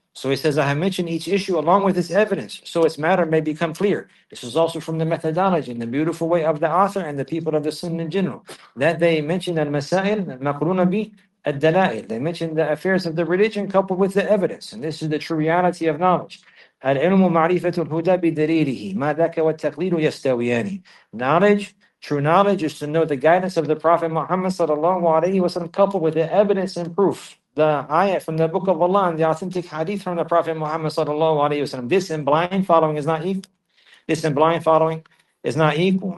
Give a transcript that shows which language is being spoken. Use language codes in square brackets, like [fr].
[en] So he says, I have mentioned each issue along with its evidence, so its matter may become clear. This is also from the methodology and the beautiful way of the author and the people of the Sunnah in general, that they mention al-masail maqruna bi al-dala'il. They mention the affairs of the religion coupled with the evidence. And this is the true reality of knowledge. [ar] العلم معرفة الهدى بدليله ما ذاك والتقليد يستويان. [en] Knowledge, true knowledge, is to know the guidance of the Prophet Muhammad sallallahu alaihi wasallam, coupled with the evidence and proof, the ayah from the Book of Allah and the authentic hadith from the Prophet Muhammad sallallahu alaihi wasallam. This and blind following is not equal. This and blind following is not equal.